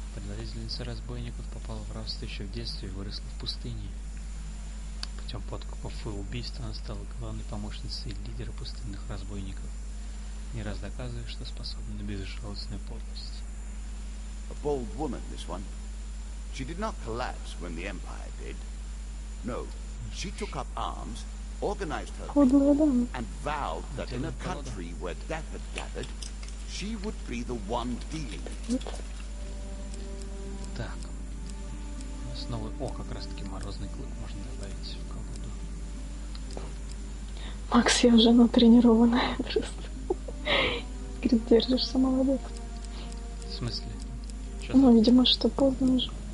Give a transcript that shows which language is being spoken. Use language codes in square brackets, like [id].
[ru] Предводительница разбойников попала в рабство еще в детстве и выросла в пустыне. Путем подкупов и убийств она стала главной помощницей лидера пустынных разбойников, не раз доказывая, что способна на безжалостную подлость. [en] She did not collapse when the Empire did. No, she took up arms, organized her people, and vowed that in a country where death had gathered, she would be the one dealing it. [ru] Так. Снова... О, как раз таки морозный клык можно добавить в колоду. Макс, я уже натренированная просто. Говорит, держишься, молодец. В смысле? Ну, видимо, что поздно уже.